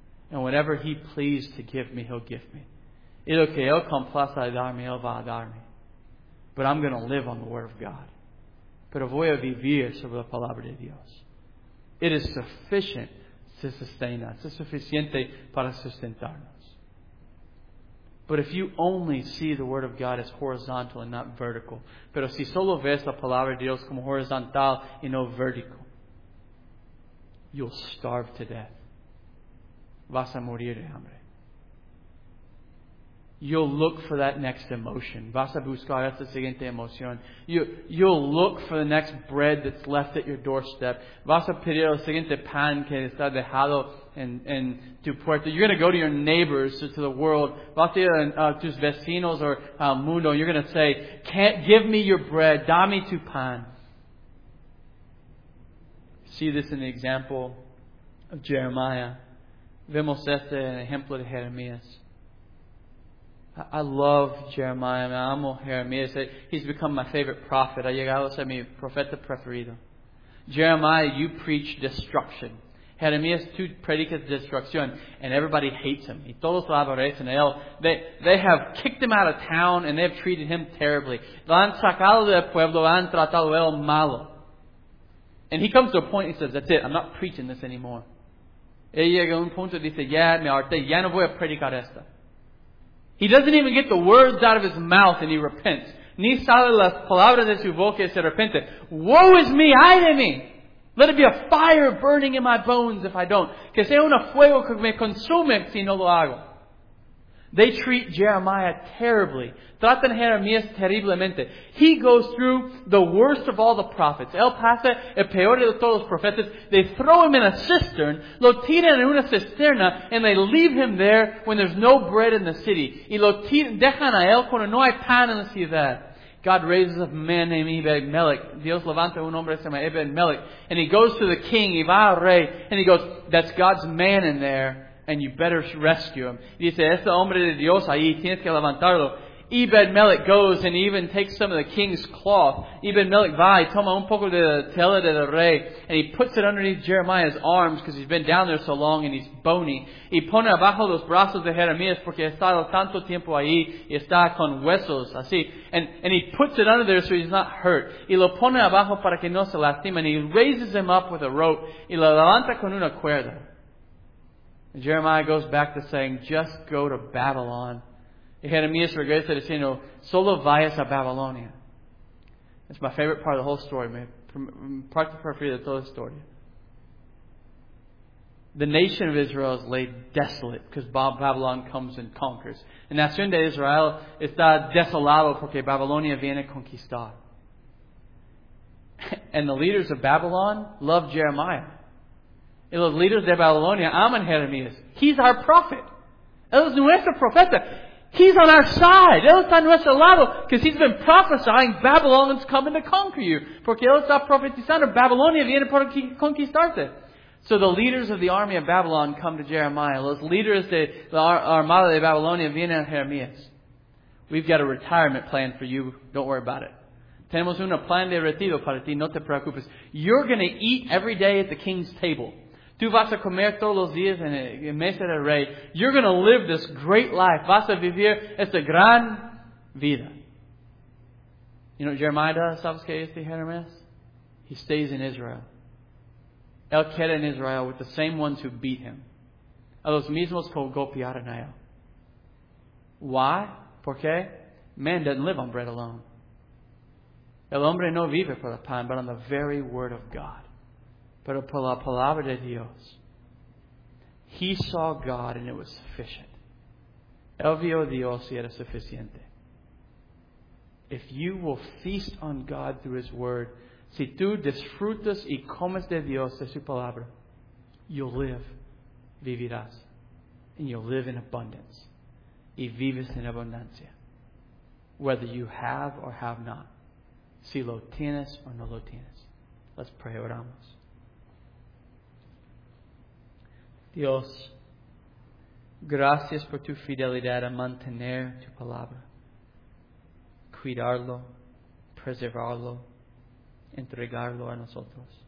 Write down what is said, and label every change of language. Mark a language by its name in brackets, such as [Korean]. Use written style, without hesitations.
[English] And whatever He pleased to give me, He'll give me. [Spanish] Y lo que Él complace a darme, Él va a darme. [English] But I'm going to live on the Word of God. [Spanish] pero voy a vivir sobre la palabra de Dios. [English] It is sufficient to sustain us. [Spanish] Es suficiente para sustentarnos. [English] But if you only see the Word of God as horizontal and not vertical, [Spanish] pero si solo ves la palabra de Dios como horizontal y no vertical, [English] you'll starve to death. [Spanish] Vas a morir de hambre. [English] You'll look for that next emotion. [Spanish] Vas a buscar esa siguiente emoción. [English] You'll look for the next bread that's left at your doorstep. [Spanish] Vas a pedir el siguiente pan que está dejado en tu puerta. [English] You're going to go to your neighbors or to the world. [Spanish] Vas a ir a tus vecinos or al mundo. [English] You're going to say, "Can't give me your bread. [Spanish] Dame tu pan." [English] See this in the example of Jeremiah. [Spanish] Vemos este en el ejemplo de Jeremías. [English] I love Jeremiah. [Spanish] Me amo Jeremías. [English] He's become my favorite prophet. [Spanish] Ha llegado a ser mi profeta preferido. [English] Jeremiah, you preach destruction. [Spanish] Jeremías, tú predicas destrucción. [English] And everybody hates him. [Spanish] Y todos lo aborrecen a él. [English] They have kicked him out of town and they've treated him terribly. [Spanish] Lo han sacado del pueblo, han tratado él malo. [English] And he comes to a point, he says, "That's it, I'm not preaching this anymore." [Spanish] Él llega a un punto y dice, "Ya me harté, ya no voy a predicar esto." [English] He doesn't even get the words out of his mouth and he repents. [Spanish] Ni sale las palabras de su boca y se arrepiente. [English] Woe is me, [Spanish] ay de mí. [English] Let it be a fire burning in my bones if I don't. [Spanish] Que sea un fuego que me consume si no lo hago. [English] They treat Jeremiah terribly. [Spanish] Tratan Jeremías terriblemente. [English] He goes through the worst of all the prophets. [Spanish] Él pasa el peor de todos los profetas. [English] They throw him in a cistern. [Spanish] Lo tiran en una cisterna. [English] And they leave him there when there's no bread in the city. [Spanish] Y lo tiran, dejan a él cuando no hay pan en la ciudad. [English] God raises a man named Ebed-Melech. [Spanish] Dios levanta un hombre que se llama Ebed-Melech. [English] And he goes to the king, [Spanish] y va al rey. [English] And he goes, "That's God's man in there. And you better rescue him." [Spanish] He dice, "Ese hombre de Dios ahí, tienes que levantarlo." [English] Ebed-Melech goes and even takes some of the king's cloth. [Spanish] Ebed-Melech va y toma un poco de la tela del rey. [English] And he puts it underneath Jeremiah's arms because he's been down there so long and he's bony. [Spanish] Y pone abajo los brazos de Jeremías porque ha estado tanto tiempo ahí y está con huesos así. [English] And he puts it under there so he's not hurt. [Spanish] Y lo pone abajo para que no se lastime. [English] And he raises him up with a rope [Spanish] y lo levanta con una cuerda. [English] Jeremiah goes back to saying, "Just go to Babylon." [Spanish] Jeremías regresa diciendo, "Solo vayas a Babilonia." [English] It's my favorite part of the whole story, man. [Spanish] Parte preferida de toda la historia. [English] The nation of Israel is laid desolate because Babylon comes and conquers. [Spanish] La nación de Israel está desolada porque Babilonia viene a conquistar. [English] And the leaders of Babylon love Jeremiah. [Spanish] Y los líderes de Babilonia aman Jeremías. [English] He's our prophet. [Spanish] Él es nuestro profeta. [English] He's on our side. [Spanish] Él está a nuestro lado. Because he's been prophesying Babylon's coming to conquer you. Porque él está profetizando. Babilonia viene para conquistarte. [English] So the leaders of the army of Babylon come to Jeremiah. [Spanish] Los líderes de la armada de Babilonia vienen a Jeremías. [English] "We've got a retirement plan for you. Don't worry about it. [Spanish] Tenemos un plan de retiro para ti, no te preocupes. [English] You're going to eat every day at the king's table. [Spanish] Tú vas a comer todos los días en el mesa del rey. [English] You're going to live this great life. [Spanish] Vas a vivir esta gran vida." [English] You know what Jeremiah does? [Spanish] ¿Sabes qué es de Jeremías? [English] He stays in Israel. [Spanish] Él queda en Israel [English] with the same ones who beat him. [Spanish] A los mismos que golpearon a él. [English] Why? [Spanish] ¿Por qué? [English] Man doesn't live on bread alone. [Spanish] El hombre no vive por el pan, [English] but on the very word of God. [Spanish] Pero por la palabra de Dios. [English] He saw God and it was sufficient. [Spanish] Él vio Dios y era suficiente. [English] If you will feast on God through His word, [Spanish] si tú disfrutas y comes de Dios, de su palabra, [English] you'll live, [Spanish] vivirás. [English] And you'll live in abundance. [Spanish] Y vives en abundancia. [English] Whether you have or have not. [Spanish] Si lo tienes o no lo tienes. [English] Let's pray, oramos. [Spanish] Dios, gracias por tu fidelidad a mantener tu palabra, cuidarlo, preservarlo, entregarlo a nosotros.